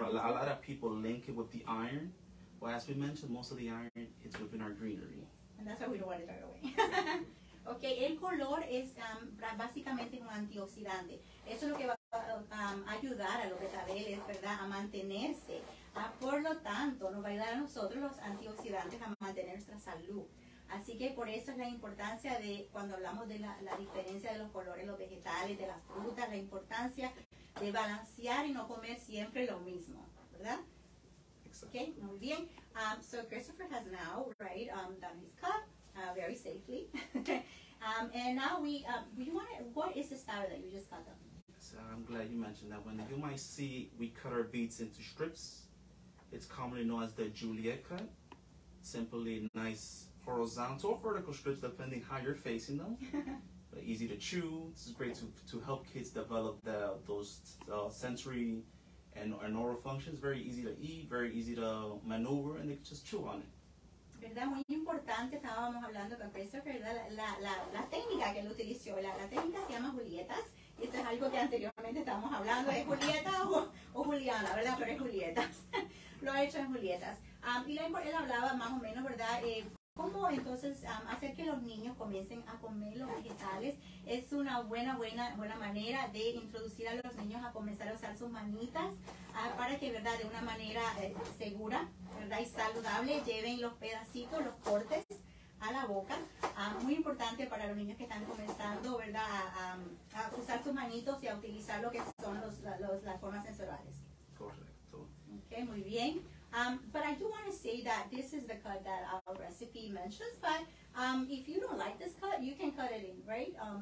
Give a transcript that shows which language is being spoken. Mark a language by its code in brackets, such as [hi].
[en] A lot of people link it with the iron. Well, as we mentioned, most of the iron is within our greenery. And that's why we don't want it right away. [es] Okay, el color es básicamente un antioxidante. Eso es lo que va a ayudar a los betabeles, ¿verdad?, a mantenerse. Por lo tanto, nos va a ayudar a nosotros los antioxidantes a mantener nuestra salud. Así que por eso es la importancia de, cuando hablamos de la diferencia de los colores, los vegetales, de las frutas, la importancia de balancear y no comer siempre lo mismo, ¿verdad? [en] Exactly. [es] Okay, muy bien. [en] So Christopher has now, right, done his cut very safely. and now what is the style that you just cut them? So I'm glad you mentioned that one. You might see we cut our beets into strips. It's commonly known as the Juliet cut. Simply nice horizontal or vertical strips, depending how you're facing them. But easy to chew. This is great to help kids develop those sensory and oral functions. Very easy to eat, very easy to maneuver, and they can just chew on it. [es] ¿Verdad? Muy importante, estábamos hablando con Christopher, ¿verdad? La técnica que él utilizó, la técnica se llama Julietas, y esto es algo que anteriormente estábamos hablando, ¿es Julieta o Juliana, verdad? Pero es Julietas, lo ha hecho en Julietas. Y él hablaba más o menos, ¿verdad? ¿Cómo entonces hacer que los niños comiencen a comer los vegetales? Es una buena manera de introducir a los niños a comenzar a usar sus manitas para que, ¿verdad?, de una manera segura, ¿verdad?, y saludable, lleven los pedacitos, los cortes a la boca. Muy importante para los niños que están comenzando, ¿verdad?, a usar sus manitos y a utilizar lo que son las formas sensoriales. Correcto. Ok, muy bien. [en] But I do want to say that this is the cut that our recipe mentions, but if you don't like this cut, you can cut it in, right?